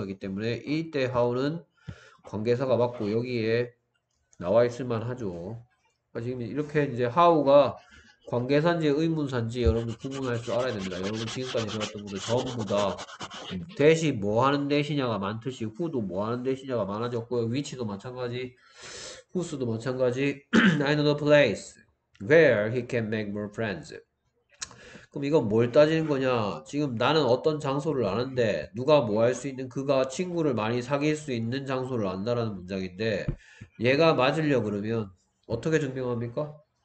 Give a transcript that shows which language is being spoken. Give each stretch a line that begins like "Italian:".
Korean: 하기 때문에 이때 how는 관계사가 맞고 여기에 나와 있을만 하죠. 지금 이렇게 이제 how가 관계사인지 의문사인지 여러분 구분할 줄 알아야 됩니다. 여러분 지금까지 배웠던 것들 전부 다 대시 뭐 하는 대시냐가 많듯이 후도 뭐 하는 대시냐가 많아졌고요. 위치도 마찬가지, 후스도 마찬가지.
English: I know the place where he can make more friends.
Korean: 그럼 이건 뭘 따지는 거냐? 지금 나는 어떤 장소를 아는데 누가 뭐할수 있는 그가 친구를 많이 사귈 수 있는 장소를 안다라는 문장인데 얘가 맞으려 그러면 어떻게 증명합니까?